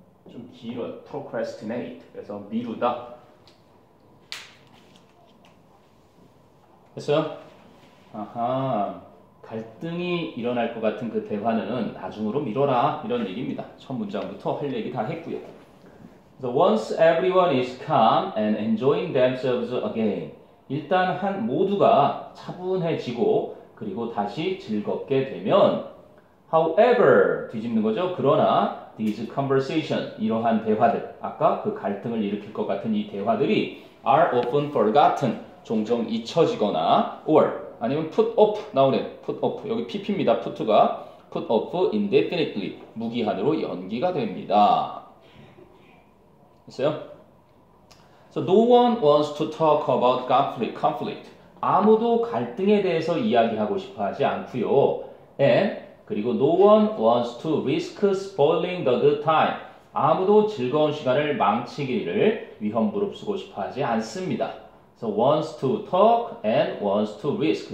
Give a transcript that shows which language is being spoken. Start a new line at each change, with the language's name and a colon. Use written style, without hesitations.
Korean: 좀 길어요. procrastinate. 그래서 미루다. 됐어요? 아하. 갈등이 일어날 것 같은 그 대화는 나중으로 미뤄라. 이런 얘기입니다. 첫 문장부터 할 얘기 다 했고요.
English: So once everyone is calm and enjoying themselves again.
Korean: 일단 한 모두가 차분해지고 그리고 다시 즐겁게 되면,
English: however,
Korean: 뒤집는 거죠. 그러나,
English: these conversations,
Korean: 이러한 대화들, 아까 그 갈등을 일으킬 것 같은 이 대화들이
English: are often forgotten,
Korean: 종종 잊혀지거나, or, 아니면 put off, 나오는 put off, 여기 PP입니다, put가.
English: put off indefinitely,
Korean: 무기한으로 연기가 됩니다. 됐어요?
English: So no one wants to talk about conflict.
Korean: 아무도 갈등에 대해서 이야기하고 싶어 하지 않고요.
English: And
Korean: 그리고
English: no one wants to risk spoiling the good time.
Korean: 아무도 즐거운 시간을 망치기를 위험부릅쓰고 싶어 하지 않습니다.
English: So wants to talk and wants to risk.